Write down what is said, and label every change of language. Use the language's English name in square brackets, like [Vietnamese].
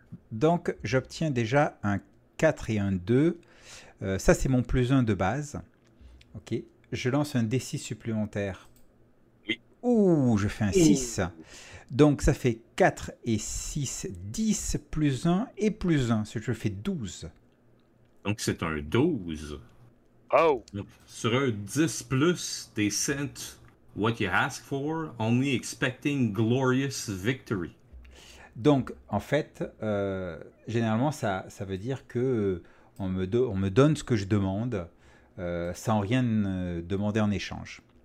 [French] Donc, j'obtiens déjà un 4 et un 2. Ça, c'est mon plus 1 de base. Ok. Je lance un D6 supplémentaire. Oui. Ouh, je fais un 6. Donc, ça fait 4 et 6, 10, plus 1 et plus 1. Ce que je fais 12. Donc, c'est un 12. Oh! Sur un 10 plus, [English] they sent what you ask for, only expecting glorious victory. [French] Donc, en fait, généralement, ça veut dire que on me donne ce que je demande sans rien demander en échange.